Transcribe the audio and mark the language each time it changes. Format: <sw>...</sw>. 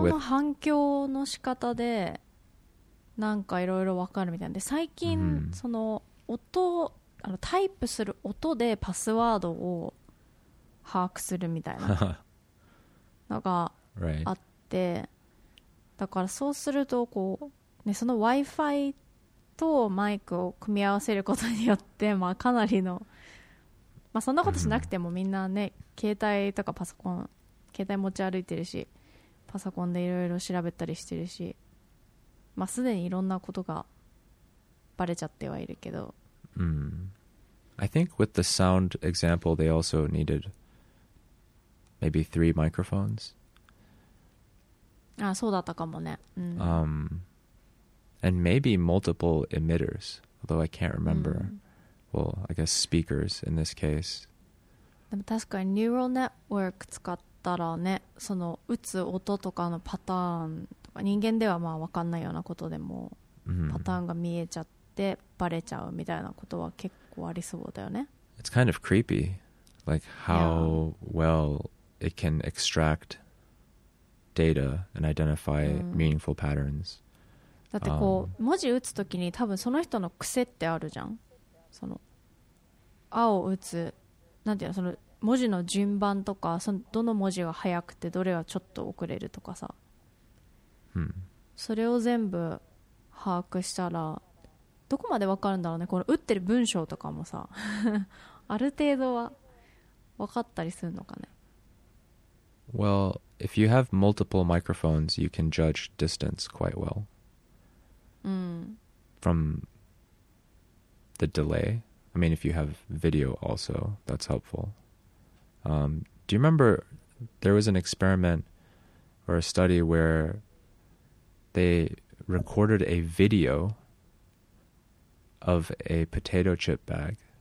<ja>音の反響の仕方で、なんかいろいろ分かるみたいなで最近その音あのタイプする音でパスワードを把握するみたいなのがあってだからそうするとこう、ね、その Wi-Fi とマイクを組み合わせることによってまあかなりの、まあ、そんなことしなくてもみんなね携帯とかパソコン携帯持ち歩いてるしパソコンでいろいろ調べたりしてるしまあ、すでにいろんなことがバレちゃってはいるけど。</ja> <en>I think with the sound example, they also needed maybe 3 microphones.</en> <ja>あ、そうだったかもね。</ja> <en>And maybe multiple emitters, although I can't remember. Well, I guess speakers in this case.</en> <ja>でも確かにニューラルネットワーク使ったらね、その打つ音とかのパターン人間ではまあ分かんないようなことでもパターンが見えちゃってバレちゃうみたいなことは結構ありそうだよね</ja> <en>It's kind of creepy like how well it can extract data and identify meaningful patterns</en> <ja>だってこう文字打つときに多分その人の癖ってあるじゃんその青を打つなんていうのその文字の順番とかそのどの文字が早くてどれがちょっと遅れるとかさそれを全部把握したらどこまで分かるんだろうねこの打ってる文章とかもさある程度は分かったりするのかね</ja> <en>Well, if you have multiple microphones you can judge distance quite well from the delay I mean, if you have video also that's helpful do you remember there was an experiment or a study whereThey recorded a video of a potato chip bag.</en>